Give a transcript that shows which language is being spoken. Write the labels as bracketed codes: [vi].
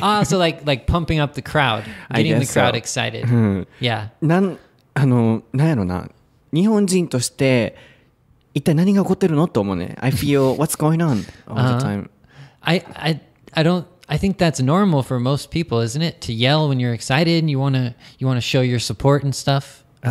[en] Ah, so like pumping up the crowd, getting the crowd excited. Yeah. [ja] なんやろな。日本人として一体何が起こってるのと思うね。 [en] I feel what's going on all the time. I think that's normal for most people, isn't it? To yell when you're excited and you wanna show your support and stuff.